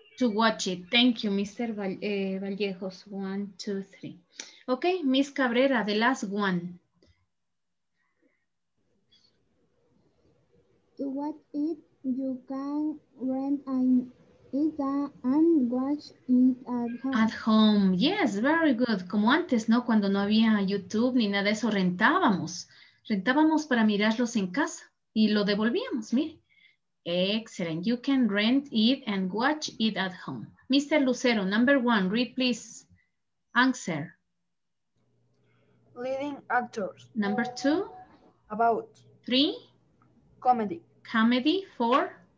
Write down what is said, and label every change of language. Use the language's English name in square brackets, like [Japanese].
[English] To watch it. Thank you, Mr. Vallejos. 1, 2, 3. Okay, Miss Cabrera, the last one. To watch it, you can rent and eat and watch it at home. At home. Yes, very good. [Spanish] Como antes, ¿no? Cuando no había YouTube ni nada de eso, rentábamos. Rentábamos para mirarlos en casa y lo devolvíamos, mire. [English] Excellent. You can rent it and watch it at home. Mr. Lucero, number one, read please. Answer. Leading actors. Number two. About. Three. Comedy. Comedy. Four.